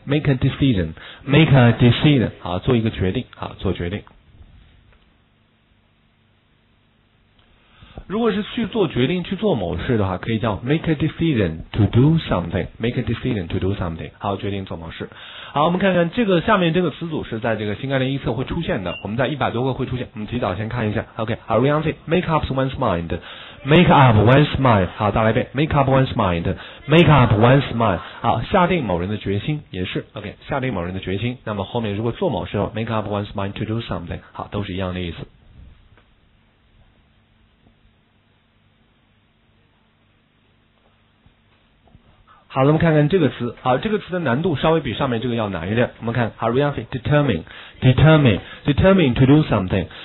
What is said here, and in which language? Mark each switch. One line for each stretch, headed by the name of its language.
English: Make a decision， make a decision，
Chinese: 好，做一个决定，好，做决定。如果是去做决定，去做某事的话，可以叫
English: make a decision to do something，
Chinese: make a decision to do something， 好，决定做某事。好，我们看看这个下面这个词组是在这个新概念一册会出现的，我们在100多个会出现，我们提早先看一下。
English: OK， Harianfi， make up one's mind。 Make up one's mind，
Chinese: 好，再来一遍
English: ，Make up one's mind，Make up one's mind，
Chinese: 好，下定某人的决心也是
English: ，OK， 下定某人的决心。
Chinese: 那么后面如果做某事 ，
English: Make up one's mind to do something，
Chinese: 好，都是一样的意思。好，那么看看这个词，好，这个词的难度稍微比上面这个要难一点。我们看
English: ，Harianfi， determine， determine， determine to do something。